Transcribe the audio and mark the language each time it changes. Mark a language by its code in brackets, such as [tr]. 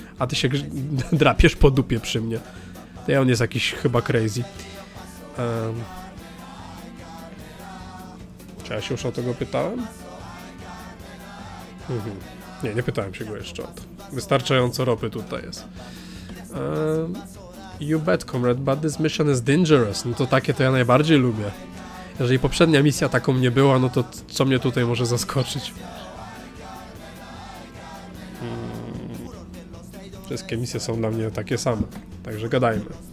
[pl] A ty się drapiesz po dupie przy mnie. To on jest jakiś chyba crazy. Czy ja się już o tego pytałem? Nie pytałem się go jeszcze o to. Wystarczająco ropy tutaj jest. [en] You bet, comrade, but this mission is dangerous. [pl] No to takie to ja najbardziej lubię. Jeżeli poprzednia misja taką nie była, no to co mnie tutaj może zaskoczyć? Wszystkie misje są dla mnie takie same. Także gadajmy.